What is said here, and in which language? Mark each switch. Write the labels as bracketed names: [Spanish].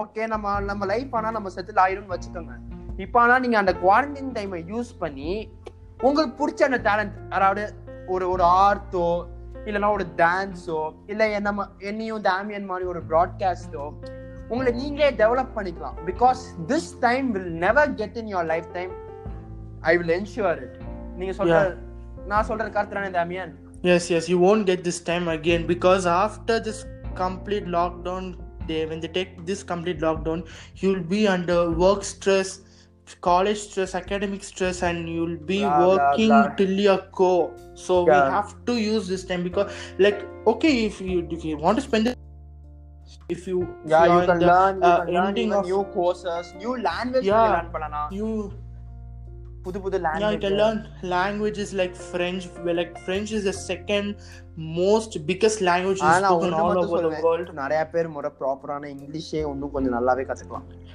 [Tamil] Okay, நம்ம life ஆனா நம்ம செட்டில் ஆயிரும்னு வச்சுக்கோங்க. இப்ப ஆனா நீங்க அந்த குவாரண்டைன் டைமை யூஸ் பண்ணி உங்களுக்கு பிடிச்ச அந்த டேலண்ட், அதாவது ஒரு ஒரு ஆர்ட்டோ இல்லைன்னா ஒரு டான்ஸோ இல்லை என்னையும் தாமியன் மாதிரி ஒரு ப்ராட்காஸ்டோ உங்களை நீங்களே டெவலப் பண்ணிக்கலாம். [English] Because this time will never get in your lifetime, I will ensure it. [Tamil] நீங்க சொல்ற நான் சொல்ற கருத்து தானே தாமியன்? [English] Yes, yes, you won't get this time again, because after this complete lockdown day, when they take this complete lockdown, you'll be under work stress, college stress, academic stress, and you'll be working till your core. So we have to use this time, because like, okay, if you want to spend it, if you you can learn new courses, new languages, you can learn languages like French. Well, like French is the second most biggest language spoken all over the world. [Tamil] நிறைய பேர் மொர ப்ராப்பரான இங்கிலீஷே ஒன்னும் கொஞ்சம் நல்லாவே கத்துக்கலாம்.